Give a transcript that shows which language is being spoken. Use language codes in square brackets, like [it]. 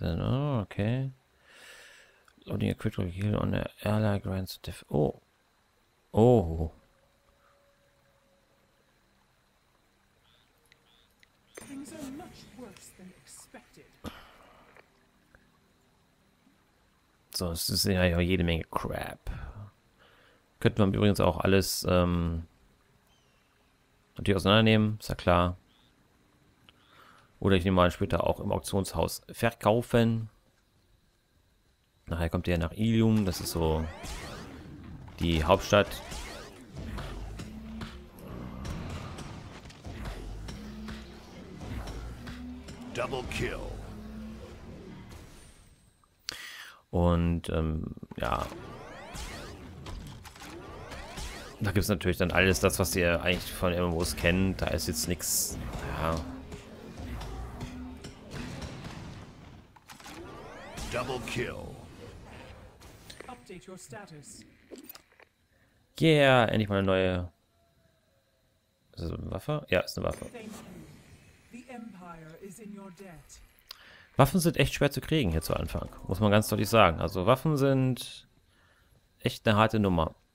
[en] Oh, okay. Loading a critical heal on the ally grants. Oh. Oh. Things are much worse than expected. [de] So, es ist ja jede Menge Crap. Könnte man übrigens auch alles natürlich auseinandernehmen, ist ja klar. Oder ich nehme mal später auch im Auktionshaus verkaufen. Nachher kommt der nach Ilium, das ist so die Hauptstadt. [en] Double kill. [de] Und ja, da gibt es natürlich dann alles das, was ihr eigentlich von MMOs kennt. Da ist jetzt nichts. Ja. [en] Double kill. Update your status. [de] Yeah, endlich mal eine neue. Ist das eine Waffe? Ja, ist eine Waffe. [en] The Empire is in your debt. [de] Waffen sind echt schwer zu kriegen hier zu Anfang, muss man ganz deutlich sagen. Also Waffen sind echt eine harte Nummer.